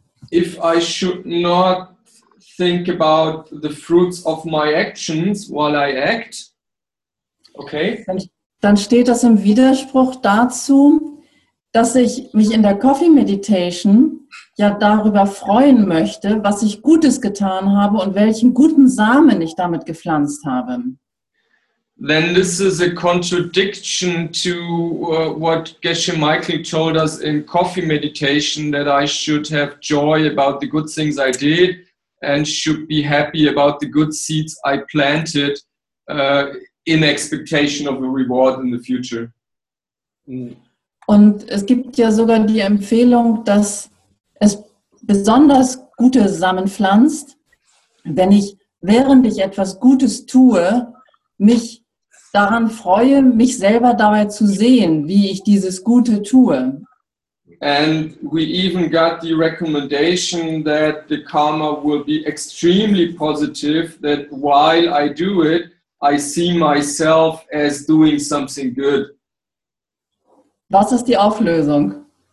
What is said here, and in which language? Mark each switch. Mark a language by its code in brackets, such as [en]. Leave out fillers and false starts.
[en] If I should not think about the fruits of my actions while I act, okay. [de] Dann steht das im Widerspruch dazu, dass ich mich in der [en] Coffee Meditation [de] ja darüber freuen möchte, was ich Gutes getan habe und welchen guten Samen ich damit gepflanzt habe. [en] Then this is a contradiction to what Geshe Michael told us in coffee meditation, that I should have joy about the good things I did and should be happy about the good seeds I planted in expectation of a reward in the future. [de] Und es gibt ja sogar die Empfehlung, dass es besonders gute Samen pflanzt, wenn ich, während ich etwas Gutes tue, mich daran freue, mich selber dabei zu sehen, wie ich dieses Gute tue. [en] And we even got the recommendation that the karma will be extremely positive, that while I do it, I see myself as doing something good. [de] Was ist die Auflösung?